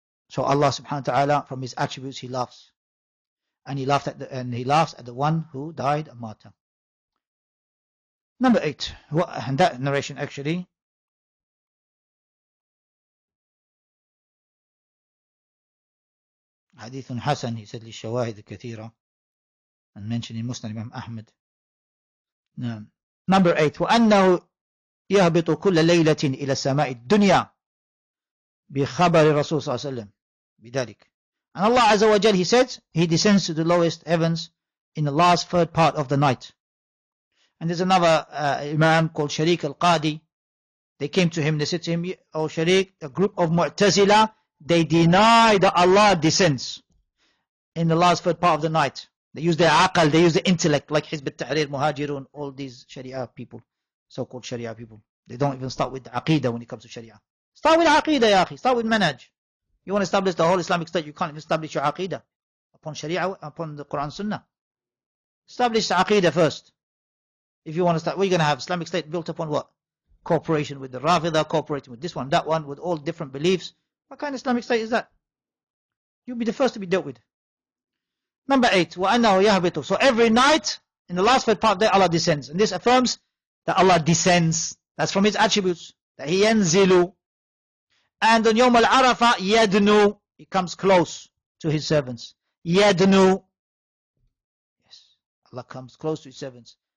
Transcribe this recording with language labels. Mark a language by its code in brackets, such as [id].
[en] So Allah subhanahu wa ta'ala, from his attributes, he laughs. And he laughs at the one who died a martyr. Number 8. And that narration actually, [ar] حديث حسن, [en] he said [ar] للشواهد كثيرة, [en] and mentioning Muslim Imam Ahmed. Number 8, [ar] وأنه يهبط كل ليلة إلى السماء الدنيا بخبر الرسول صلى الله عليه وسلم بذلك. [en] And Allah Azza wa Jal, he says, he descends to the lowest heavens in the last third part of the night. And there's another Imam called Shariq al-Qadi. They came to him, they said to him, oh Shariq, a group of Mu'tazila, they deny that Allah descends in the last third part of the night. They use their aqal, they use the intellect, like Hizb al-Tahrir, Muhajirun, all these Sharia people, so-called Sharia people. They don't even start with aqidah when it comes to Sharia. Start with aqidah, ya akhi. Start with manhaj. You want to establish the whole Islamic state, you can't even establish your aqidah upon Sharia, upon the Quran Sunnah. Establish the aqidah first. If you want to start, we're going to have Islamic state built upon what? Cooperation with the Rafida, cooperating with this one, that one, with all different beliefs. What kind of Islamic state is that? You'll be the first to be dealt with. Number 8, [ar] وَأَنَّهُ يَهْبِطُ. [en] So every night, in the last third part, Allah descends. And this affirms that Allah descends. That's from his attributes. That he yanzilu. And on [ar] يَوْمَ الْعَرَفَ يَدْنُ. [en] He comes close to his servants. [ar] يَدْنُ. [en] Yes, Allah comes close to his servants.